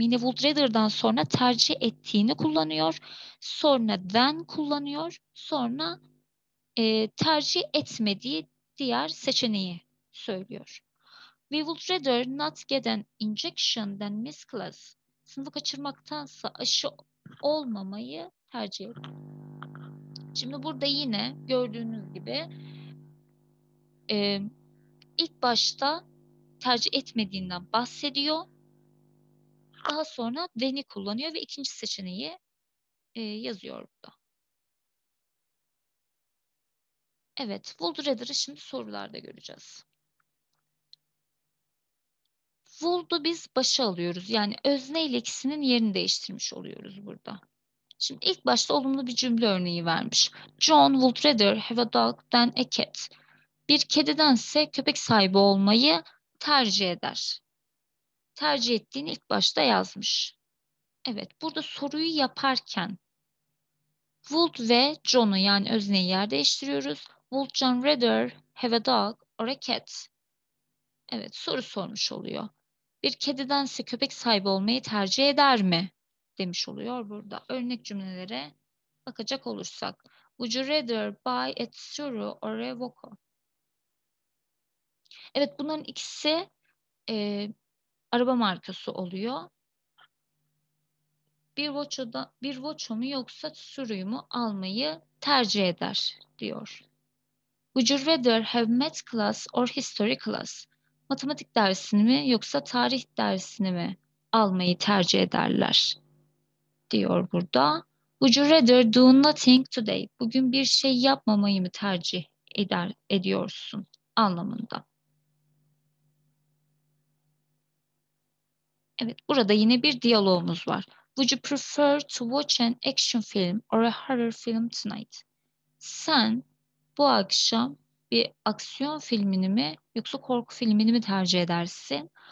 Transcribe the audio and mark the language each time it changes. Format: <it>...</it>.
<tr>Yine would rather'dan sonra tercih ettiğini kullanıyor. Sonra then kullanıyor. Sonra tercih etmediği diğer seçeneği söylüyor.</tr> <en>We would rather not get an injection than miss class.</en> <tr>Sınıfı kaçırmaktansa aşı olmamayı tercih ediyor. Şimdi burada yine gördüğünüz gibi ilk başta tercih etmediğinden bahsediyor. Daha sonra then'i kullanıyor ve ikinci seçeneği yazıyor burada. Evet, would rather'ı şimdi sorularda göreceğiz. Would'u biz başa alıyoruz. Yani özne ile ikisinin yerini değiştirmiş oluyoruz burada. Şimdi ilk başta olumlu bir cümle örneği vermiş.</tr> <en>John would rather have a dog than a cat.</en> <tr>Bir kedidense köpek sahibi olmayı tercih eder. Tercih ettiğini ilk başta yazmış. Evet, burada soruyu yaparken would ve John'u yani özneyi yer değiştiriyoruz.</tr> <en>Would John rather have a dog or a cat?</en> <tr>Evet, soru sormuş oluyor. Bir kedidense köpek sahibi olmayı tercih eder mi? Demiş oluyor burada. Örnek cümlelere bakacak olursak.</tr> <en>Would you rather buy a Tsuru or a Voco?</en> <tr>Evet, bunların ikisi araba markası oluyor. Bir Voco mu yoksa Tsuru'yu mu almayı tercih eder diyor.</tr> <en>Would you rather have math class or history class?</en> <tr>Matematik dersini mi yoksa tarih dersini mi almayı tercih ederler? Diyor burada.</tr> <en>Would you rather do nothing today?</en> <tr>Bugün bir şey yapmamayı mı tercih ediyorsun anlamında. Evet, burada yine bir diyalogumuz var.</tr> <en>Would you prefer to watch an action film or a horror film tonight?</en> <tr>Sen bu akşam bir aksiyon filmini mi yoksa korku filmini mi tercih edersin?</tr>